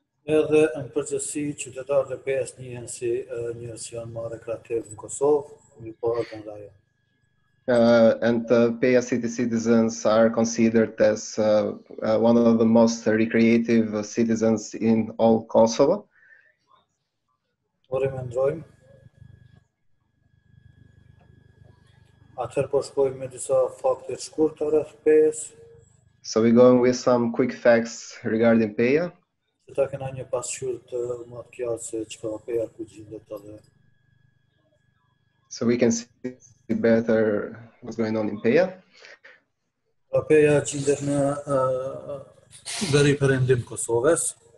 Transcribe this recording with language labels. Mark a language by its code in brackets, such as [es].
[sq] Edhe në përgjithësi, qytetarët e PEJ-s njihen si njerëz që janë më rekreativ në Kosovë, në Poratë në Lajë. [en] And PEJ-a City citizens are considered as one of the most recreative citizens in all Kosovo. [sq] Por e me ndrojmë. Atëherë po shkojmë me disa fakte shkurtë rreth PEJ-s. [en] So we're going with some quick facts regarding PEJ-a. [sq] Që ta kena një pasqyrë të më të qartë se çka PEJ-a ku gjendet atë. [en] So we can see better what's going on in PEJ-a. [sq] PEJ-a gjendet në veri perëndim Kosovës.